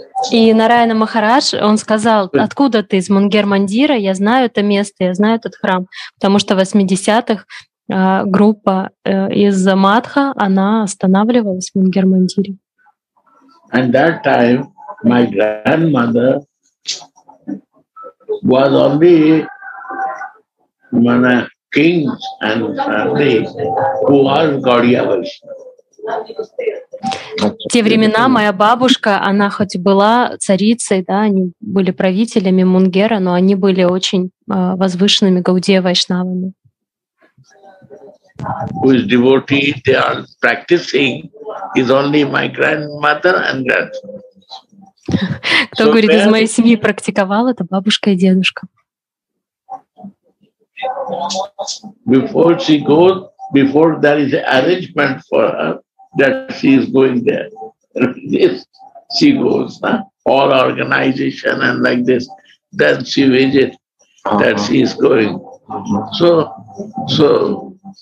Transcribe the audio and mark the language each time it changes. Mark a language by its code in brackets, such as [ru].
[ru] И Нараяна Махарадж, он сказал, откуда ты, из Мунгер Мандира? Я знаю это место, я знаю этот храм, потому что в 80-х группа из Матха, она останавливалась в Мунгер Мандире. [en] And that time my grandmother was only one of kings and family who was Gaudiya Vaishnava. [ru] В те времена моя бабушка, она хоть и была царицей, да, они были правителями Мунгера, но они были очень возвышенными Гаудия Вайшнавами. [en] Who is devotee, they are practicing, is only my grandmother and grandson. [ru] Кто, говорит, из моей семьи практиковал, это бабушка и дедушка. [en] Before she goes, before there is arrangement for her, that she is going there. Yes, she goes, all organization and like this, then she visit, that she is going. So,